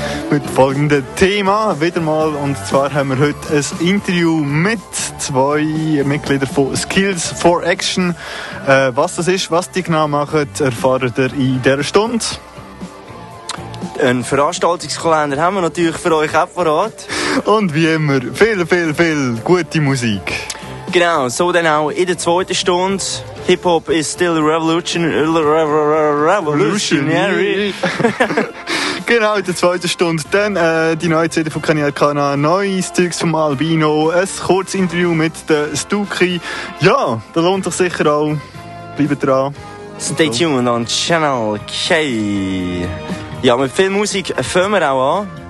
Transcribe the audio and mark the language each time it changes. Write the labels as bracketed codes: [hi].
[de] Mit folgenden Thema wieder mal. Und zwar haben wir heute ein Interview mit zwei Mitgliedern von Skills for Action. Was das ist, was die genau machen, erfahrt ihr in dieser Stunde. Einen Veranstaltungskalender haben wir natürlich für euch auch parat. Und wie immer, viel gute Musik. Genau, so dann auch in der zweiten Stunde. [en] Hip-Hop is still revolutionary. [de] Genau, in der zweiten Stunde dann die neue CD von Kenny Arcana, neues Zeugs vom Albino, ein kurzes Interview mit der Stuki. Ja, da lohnt sich sicher auch. Bleibt dran. [en] Stay tuned on Channel K. [de] Ja, mit viel Musik fangen wir auch an.